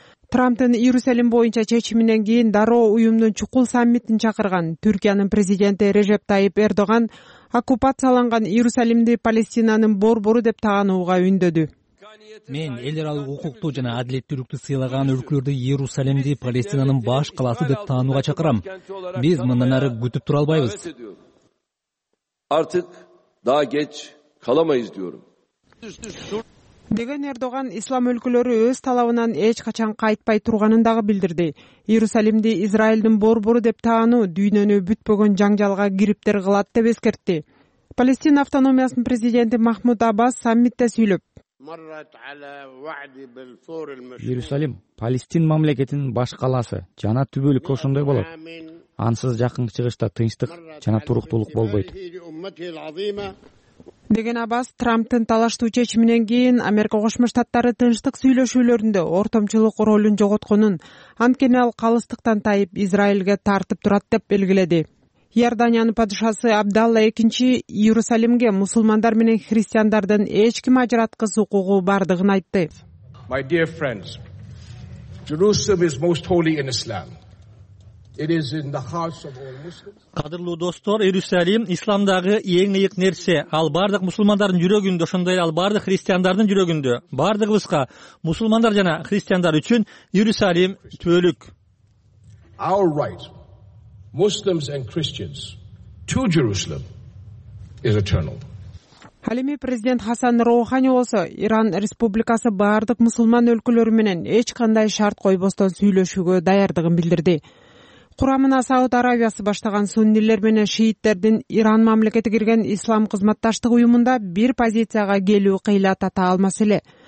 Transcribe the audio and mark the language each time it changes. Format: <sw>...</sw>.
<ky>Трамптын Иерусалим боюнча чечиминен кийин дароо уюмдун чукул саммитин чакырган Түркиянын президенти Режеп Тайип Эрдоган оккупацияланган Иерусалимди Палестинанын борбору деп таанууга үндөдү. Мен эл аралык укукту жана адилеттүүлүктү сыйлаган өлкөлөрдү Иерусалимди Палестинанын баш калаасы деп таанууга чакырам. Биз мындан ары күтүп тура албайбыз.</ky> <tr>Artık daha geç kalamayız diyorum.</tr> <ky>Деген Эрдоган ислам өлкөлөрү өз талабынан эч качан кайтпай турганын дагы билдирди. Иерусалимди Израилдин борбору деп таануу дүйнөнү бүтпөгөн жаңжалга кириптер кылат деп эскертти. Палестина автономиясынын президенти Махмуд Аббас саммитте сүйлөп: Иерусалим Палестин мамлекетинин баш калаасы жана түбөлүк ошондой болот. Ансыз жакынкы чыгышта тынчтык жана туруктуулук болбойт. Деген Аббас Трамптын талаштуу чечиминен кийин Америка Кошмо Штаттары тынчтык сүйлөшүүлөрүндө ортомчулук ролун жоготконун, анткени ал калыстыктан тайып Израилге тартып турат деп белгиледи. Иорданиянын падышасы Абдалла II Иерусалимге мусулмандар менен христиандардын эч ким ажыраткыс укугу бардыгын айтты.</ky> <en>My dear friends, Jerusalem is most holy in Islam. It is in the hearts of all Muslims.</en> <ky>Кадырлуу достор, Иерусалим исламдагы эң ыйык нерсе. Ал бардык мусулмандардын жүрөгүндө, ошондой эле ал бардык христиандардын жүрөгүндө. Бардыгыбызга, мусулмандар жана христиандар үчүн Иерусалим түбөлүк.</ky> <en>Our right, Muslims and Christians, to Jerusalem is eternal.</en> <ky>Ал эми президент Хасан Роухани болсо Иран Республикасы бардык мусулман өлкөлөрү менен эч кандай шарт койбостон сүйлөшүүгө даярдыгын билдирди. Курамына Сауд Аравиясы баштаган сунилер менен шииттердин Иран мамлекети кирген Ислам кызматташтык уюмунда бир позицияга келүү кыйла тата алмас эле.</ky>